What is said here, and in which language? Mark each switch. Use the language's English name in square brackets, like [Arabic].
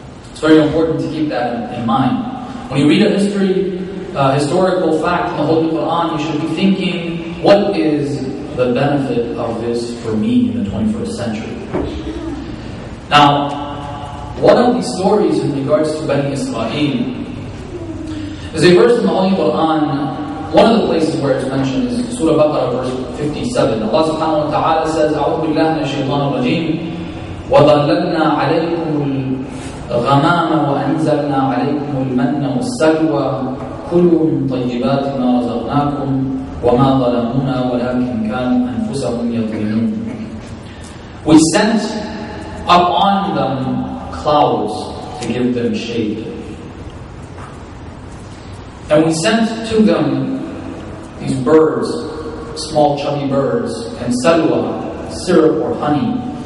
[English] It's very important to keep that in mind. When you read a history, historical fact in the Holy Quran, you should be thinking, what is the benefit of this for me in the 21st century? Now, one of these stories in regards to Bani Israel is a verse in the Holy Quran. One of the places where it's mentioned is Surah Baqarah, verse 57. Allah subhanahu wa ta'ala says, [Arabic] أعوذ بالله من الشيطان الرجيم وضللنا عليكم الغمام وأنزلنا عليكم المن والسلوى كلوا من طيبات ما رزقناكم وما ظلمونا ولكن كانوا أنفسهم يظلمون. [English] We sent upon them clouds to give them shade. And we sent to them these birds, small chubby birds, and salwa, syrup or honey.